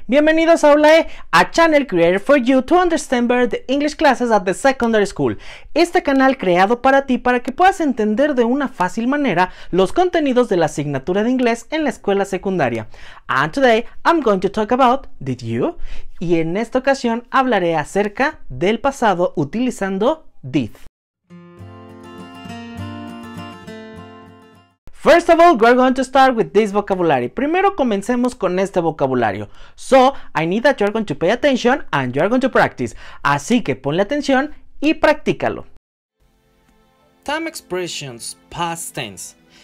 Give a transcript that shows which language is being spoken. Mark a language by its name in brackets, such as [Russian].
[Spanish] Bienvenidos [English] a Aulae, a channel created for you to understand better the English classes at the secondary school. [Spanish] Este canal creado para ti para que puedas entender de una fácil manera los contenidos de la asignatura de inglés en la escuela secundaria. [English] And today I'm going to talk about did you? [Spanish] Y en esta ocasión hablaré acerca del pasado utilizando did. [English] First of all, we're going to start with this vocabulary. [Spanish] Primero comencemos con este vocabulario. [English] So, I need that you're going to pay attention and you're going to practice. [Spanish] Así que ponle atención y practícalo. [English] Time expressions, past tense.